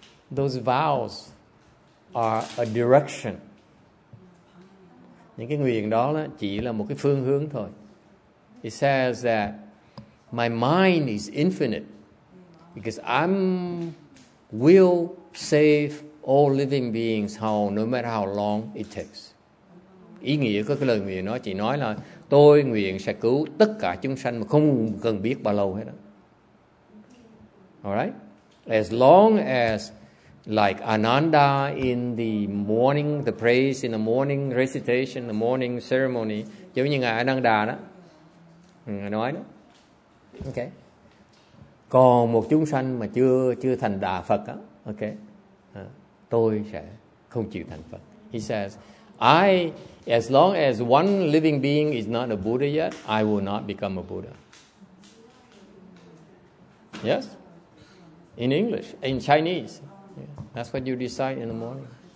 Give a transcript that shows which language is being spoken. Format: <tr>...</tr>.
<en>Those vows are a direction.</en> <vi>Những cái nguyện đó chỉ là một cái phương hướng thôi.</vi> <en>It says that my mind is infinite because I'm will save all living beings how no matter how long it takes.</en> <vi>Ý nghĩa của cái lời nguyện nó chỉ nói là tôi nguyện sẽ cứu tất cả chúng sanh mà không cần biết bao lâu hết đó.</vi> <en>Alright? As long as like Ananda in the morning, the praise in the morning recitation, the morning ceremony,</en> <vi>giống như ngài Ananda đó, ngài nói đó.</vi> <en>Ok.</en> <vi>Còn một chúng sanh mà chưa thành đà Phật á, ok. Tôi sẽ không chịu thành Phật.</vi> <en>He says, I as long as one living being is not a Buddha yet, I will not become a Buddha. Yes? In English, in Chinese. Yeah. That's what you decide in the morning.</en>